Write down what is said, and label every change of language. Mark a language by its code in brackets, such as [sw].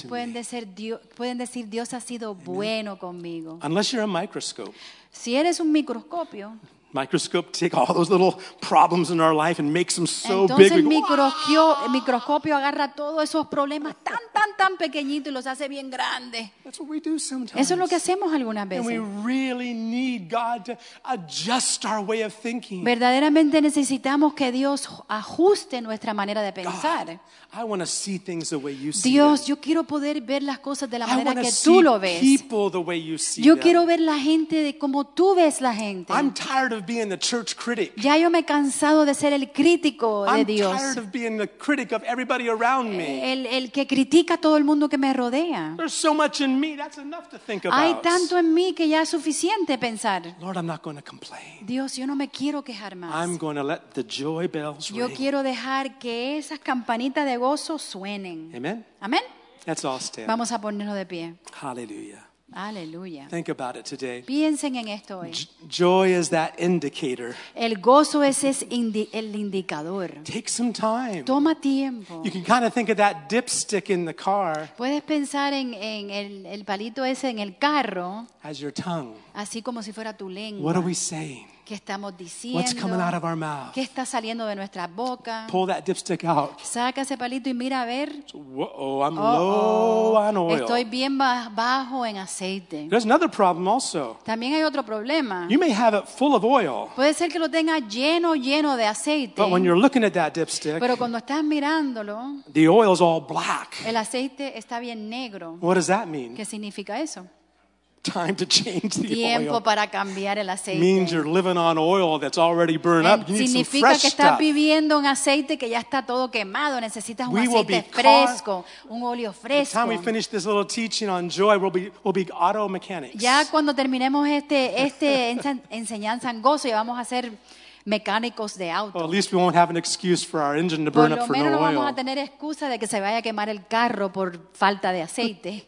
[es] ¿Quiénes pueden decir Dios ha sido bueno conmigo? [en] Unless you're a microscope. [es] Si eres un microscopio. [en] Microscope, take all those little problems in our life and makes them so [es] entonces, [en] big. [es] Entonces el microscopio agarra todos esos problemas tan pequeñitos y los hace bien grandes. [en] That's what we do sometimes. [es] Eso es lo que hacemos algunas veces. [en] And we really need God to adjust our way of thinking. [es] Verdaderamente necesitamos que Dios ajuste nuestra manera de pensar. [en] God, I want to see things the way you see. [es] Dios, [en] it. [es] Yo quiero poder ver las cosas de la manera que tú lo ves. [en] I want to see people the way you see. [es] Yo Quiero ver la gente de como tú ves la gente. [en] I'm tired of being the church critic. [es] Ya yo me he cansado de ser el crítico de Dios. [en] I'm tired of being the critic of everybody around me. [es] El que critica a todo el mundo que me rodea. [en] There's so much in me, that's enough to think about. [es] Hay tanto en mí que ya es suficiente pensar. [en] Lord, I'm not going to complain. [es] Dios, yo no me quiero quejar más. [en] I'm going to let the joy bells ring. [es] Yo quiero dejar que esas campanitas de gozo suenen. [en] Amen. [es] Amen. [en] Let's all stand. [es] Vamos a ponernos de pie. [en] Hallelujah. [es] Aleluya. [en] Think about it today. [es] Piensen en esto hoy. [en] Joy is that indicator. [es] El gozo es el indicador. [en] Take some time. [es] Toma tiempo. [en] You can kind of think of that dipstick in the car. [es] Puedes pensar en el palito ese en el carro. [en] As your tongue. [es] Así como si fuera tu lengua. [en] What are we saying? [es] ¿Qué estamos diciendo? [en] What's coming out of our mouth? [es] ¿Qué está saliendo de nuestra boca? [en] Pull that dipstick out. [es] Saca ese palito y mira a ver. [en] Uh-oh, I'm low on oil. [es] Estoy bien bajo en aceite. [en] There's another problem also. [es] También hay otro problema. [en] You may have it full of oil. [es] Puede ser que lo tenga lleno de aceite. [en] But when you're looking at that dipstick, [es] pero cuando estás mirándolo, [en] the oil is all black. [es] El aceite está bien negro. [en] What does that mean? [es] ¿Qué significa eso? [en] Time to change the [es] tiempo [en] oil. [es] Para cambiar el aceite. [en] Means you're living on oil that's already burned up. You need [es] significa [en] some fresh stuff. [es] Que estás viviendo en aceite que ya está todo quemado. Necesitas un aceite fresco, un óleo fresco. [en] By the time we finish this little teaching on joy, we'll be auto mechanics. [es] Ya cuando terminemos este enseñanza en gozo, ya vamos a ser mecánicos de auto. [en] Well, at least we won't have an excuse for our engine to burn up for no oil. [es] Por lo menos no vamos a tener excusa de que se vaya a quemar el carro por falta de aceite.